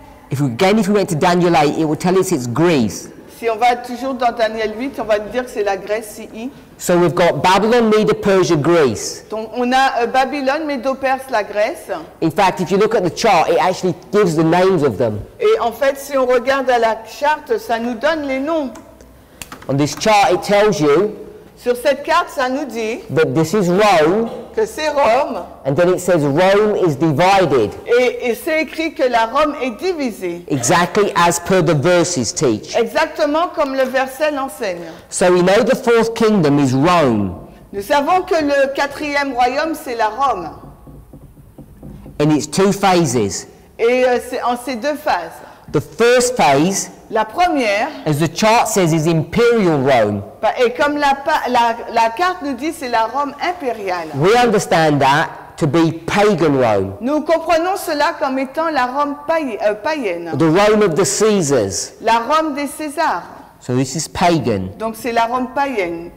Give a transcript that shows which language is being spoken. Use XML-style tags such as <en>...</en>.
<en>If we went to Daniel 8, it would tell us it's Greece.</en> <fr>Si on va toujours dans Daniel 8, on va dire que c'est la Grèce, CI.</fr> <en>So we've got Babylon, Medo-Persia, Greece.</en> <fr>Donc on a Babylone, Medo-Perse, la Grèce.</fr> <en>In fact, if you look at the chart, it actually gives the names of them.</en> <fr>Et en fait, si on regarde à la charte, ça nous donne les noms.</fr> <en>On this chart, it tells you.</en> <fr>Sur cette carte, ça nous dit.</fr> <en>That this is Rome.</en> <fr>Que c'est Rome.</fr> <en>And then it says Rome is divided.</en> <fr>Et c'est écrit que la Rome est divisée.</fr> <en>Exactly as per the verses teach.</en> <fr>Exactement comme le verset l'enseigne.</fr> <en>So we know the fourth kingdom is Rome.</en> <fr>Nous savons que le quatrième royaume c'est la Rome.</fr> <en>And it's two phases.</en> <fr>Et c'est en ces deux phases.</fr> <en>The first phase,</en> <fr>la première,</fr> <en>as the chart says, is Imperial Rome.</en> <fr>Et comme la carte nous dit, c'est la Rome impériale.</fr> <en>We understand that to be pagan Rome.</en> <fr>Nous comprenons cela comme étant la Rome païenne.</fr> <en>The Rome of the Caesars.</en> <fr>La Rome des Césars.</fr> <en>So this is pagan.</en> <fr>Donc c'est la Rome païenne.</fr>